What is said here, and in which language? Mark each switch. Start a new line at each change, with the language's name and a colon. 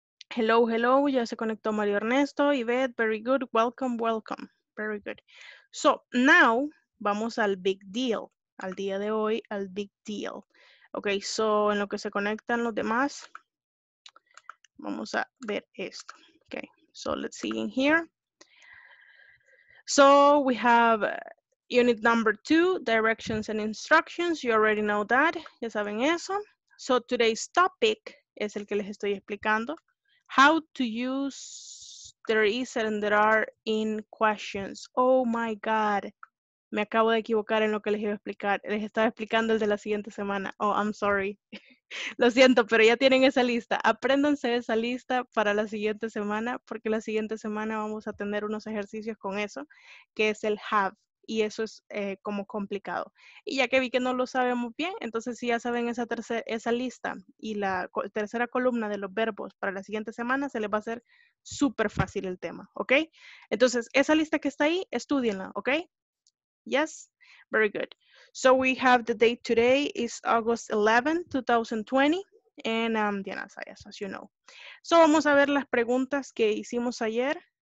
English: Hello, hello, ya se conectó Mario Ernesto, Yvette, very good, welcome, welcome, very good.
Spanish: So, now, vamos al big deal, al día de hoy, al big deal. Okay, so, en lo que se conectan los demás, vamos a ver esto.
English: Okay, so, let's see in here. So, we have unit number 2, directions and instructions, you already know that, ya saben eso.
Spanish: So, today's topic es el que les estoy explicando.
English: How to use there is and there are in questions. Oh my God.
Spanish: Me acabo de equivocar en lo que les iba a explicar. Les estaba explicando el de la siguiente semana. Oh, I'm sorry. Lo siento, pero ya tienen esa lista. Apréndanse esa lista para la siguiente semana, porque la siguiente semana vamos a tener unos ejercicios con eso, que es el have. Y eso es como complicado. Y ya que vi que no lo sabemos bien, entonces si ya saben esa lista y la tercera columna de los verbos para la siguiente semana, se les va a hacer súper fácil el tema, ¿ok? Entonces, esa lista que está ahí, estúdienla, ¿ok?
English: Yes, very good. So we have the date today is August 11, 2020, and I'm Diana Sayas, as you know. So vamos a ver las preguntas que hicimos ayer